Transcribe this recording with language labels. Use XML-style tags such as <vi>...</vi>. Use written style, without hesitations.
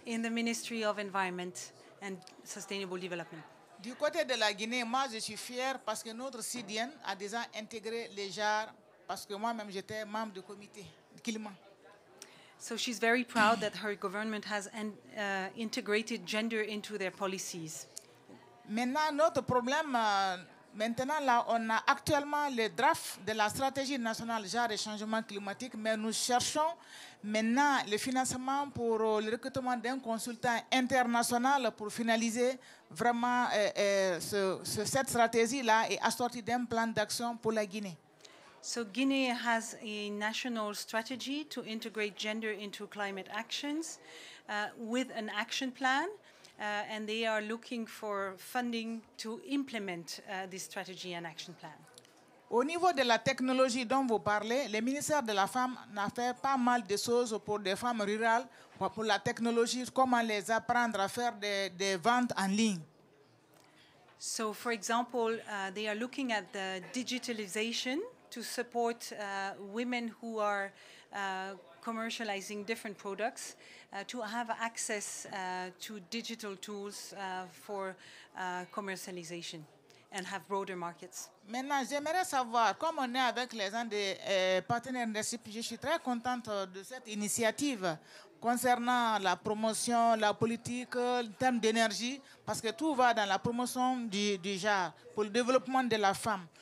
<en>In the Ministry of Environment and Sustainable Development.</en> <fr>Du côté de la Guinée, moi je suis fière parce que notre CIDIENNE a déjà intégré les JAR parce que moi-même j'étais membre du comité climat.</fr> <en>So she's very proud that her government has integrated gender into their policies.</en> <fr>Maintenant, notre problème, maintenant là, on a actuellement le draft de la stratégie nationale genre et changement climatique, mais nous cherchons maintenant le financement pour le recrutement d'un consultant international pour finaliser vraiment cette stratégie-là et assortir d'un plan d'action pour la Guinée.</fr> <en>So Guinea has a national strategy to integrate gender into climate actions with an action plan, and they are looking for funding to implement this strategy and action plan.</en> <fr>Au niveau de la technologie dont vous parlez, le ministère de la Femme n'a fait pas mal de choses pour des femmes rurales, pour la technologie, comment les apprendre à faire des ventes en ligne.</fr> <en>So, for example, they are looking at the digitalization to support women who are commercializing different products to have access to digital tools for commercialization and have broader markets.</en> <fr>Maintenant, j'aimerais savoir, comme on est avec les partenaires NDCs, je suis très contente de cette initiative concernant la promotion, la politique, le thème d'énergie, parce que tout va dans la promotion du genre pour le développement de la femme.</fr>